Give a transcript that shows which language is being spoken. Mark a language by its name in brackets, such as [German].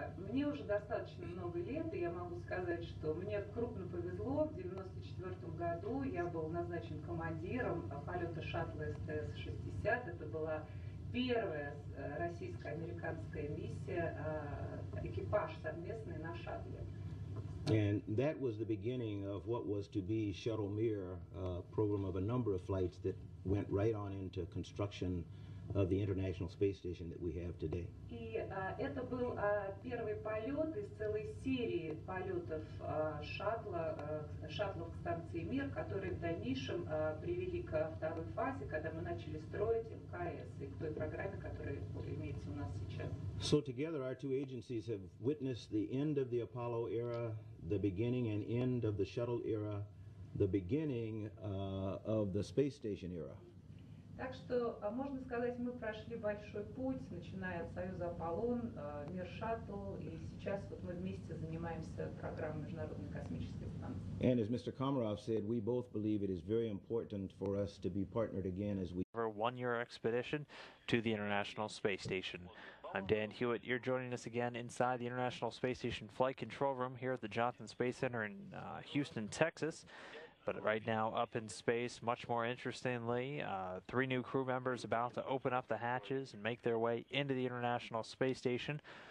[Russian] Мне уже достаточно много лет, и я могу сказать, что мне крупно повезло. В 1994 году я был назначен командиром полета шаттла STS-60. Это была первая российско-американская миссия, экипаж совместный на шаттле. [English] And that was the beginning of what was to be Shuttle Mir, a program of a number of flights that went right on into construction of the International Space Station that we have today. [Russian] И это был первый полет из целой серии полетов шаттлов к станции Мир, которые в дальнейшем привели ко второй фазе, когда мы начали строить МКС и к той программе, которая имеется у нас сейчас. [English] So together our two agencies have witnessed the end of the Apollo era, the beginning and end of the shuttle era, the beginning of the space station era. [Russian] Так что можно сказать, мы прошли большой путь, начиная от Союза Аполлон, Мир Шаттл, и сейчас вот мы вместе занимаемся программой Международной космической станции. [English] And as Mr. Komarov said, we both believe it is very important for us to be partnered again as we have our one-year expedition to the International Space Station. I'm Dan Hewitt. You're joining us again inside the International Space Station Flight Control Room here at the Johnson Space Center in Houston, Texas. But right now, up in space, much more interestingly, three new crew members about to open up the hatches and make their way into the International Space Station.